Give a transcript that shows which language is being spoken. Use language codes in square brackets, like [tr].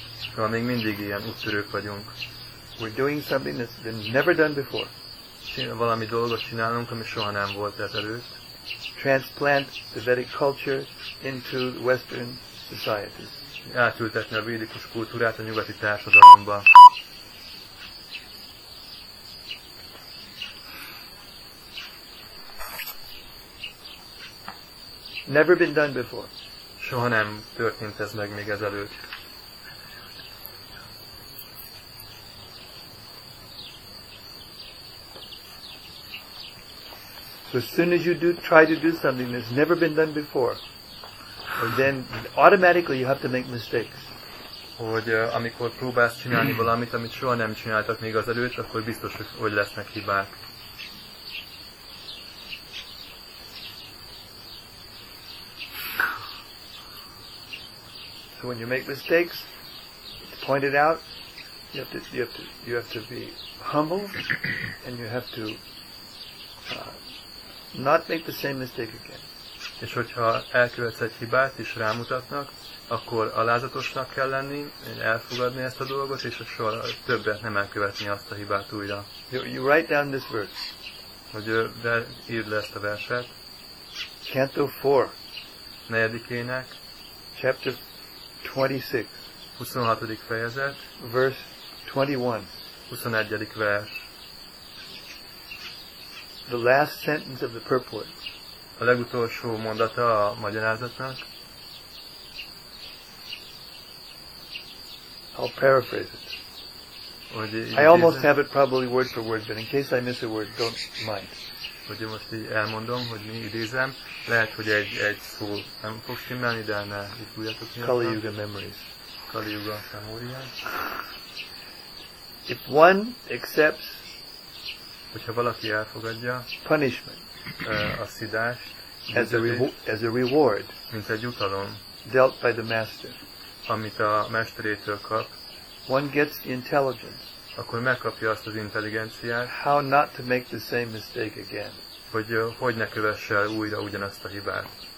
[hu] Szóval még mindig ilyen úttörők vagyunk. [en] We're doing something that's been never done before. [hu] Valami dolgot csinálunk, ami soha nem volt ezelőtt. [en] Transplant the Vedic culture into Western societies. [hu] Átültetni a védikus kultúrát a nyugati társadalomba. [en] Never been done before. [hu] Soha nem történt ez meg még ezelőtt. [en] So as soon as you do try to do something that's never been done before, then automatically you have to make mistakes. [hu] Hogy amikor próbálsz csinálni valamit, amit soha nem csináltak még azelőtt, akkor biztos, hogy lesznek hibák. [en] So when you make mistakes, it's pointed out, you have to be humble, and you have to not make the same mistake again. [hu] És hogyha elkövetsz egy hibát és rámutatnak, akkor alázatosnak kell lenni, elfogadni ezt a dolgot, és soha többet nem elkövetni azt a hibát újra. [en] You write down this verse. [hu] Hogy írd le ezt a verset. [en] Canto 4. [hu] Negyedik ének. [en] Chapter 26. [hu] 26. fejezet. [en] Verse 21. [hu] 21. vers. [en] The last sentence of the purport. [hu] A legutolsó mondata a magyarázatnak. [en] I'll paraphrase it. I almost have it probably word for word, but in case I miss a word, don't mind. [hu] Hogy most így elmondom, hogy mi idézem. Lehet, hogy egy szó nem fog simmelni, de ne ifújjatok nyilván. [en] Kali Yuga memories. Kali Yuga memories. If one accepts, [hu] hogyha valaki elfogadja [en] punishment, [hu] a szidást, [en] as a reward, [hu] mint egy utalom, [en] dealt by the master, [hu] amit a mesterétől kap, [en] one gets the intelligence, [hu] akkor megkapja azt az intelligenciát. [en] How not to make the same mistake again. [hu] Hogy hogy ne kövesse el újra ugyanazt a hibát.